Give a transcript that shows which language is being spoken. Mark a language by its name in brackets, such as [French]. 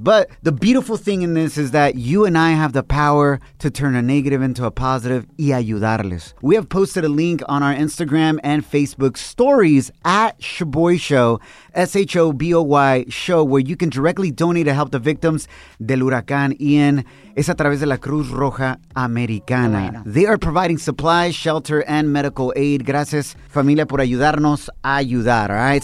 [English] But the beautiful thing in this is that you and I have the power to turn a negative into a positive [Spanish] y ayudarles. [English] We have posted a link on our Instagram and Facebook stories at Shaboy Show, S-H-O-B-O-Y Show, where you can directly donate to help the victims [Spanish] del huracán Ian. Es a través de la Cruz Roja Americana. Bueno. [English] They are providing supplies, shelter, and medical aid. [Spanish] Gracias, familia, por ayudarnos a ayudar, [English] all right?